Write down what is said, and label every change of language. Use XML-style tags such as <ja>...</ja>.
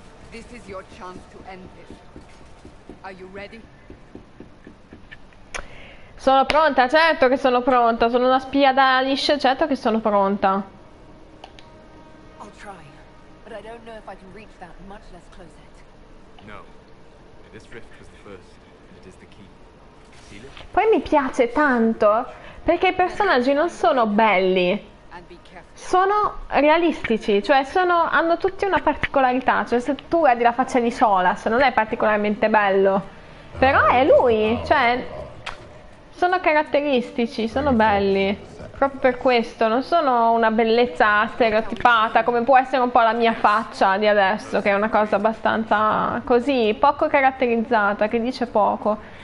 <en>This is your chance to end this. Are you ready?</en> <it>Sono pronta, certo che sono pronta. Sono una spia da liscio, certo che sono pronta.</it> <en>I'll try, but I don't know if I can reach that, much less close it. No, this rift was the first, and it is the key.</en> <it>Poi mi piace tanto perché i personaggi non sono belli, sono realistici, cioè hanno tutti una particolarità, cioè se tu guardi la faccia di Solas non è particolarmente bello, però è lui, cioè sono caratteristici, sono belli, proprio per questo, non sono una bellezza stereotipata come può essere un po' la mia faccia di adesso, che è una cosa abbastanza così, poco caratterizzata, che dice poco.</it>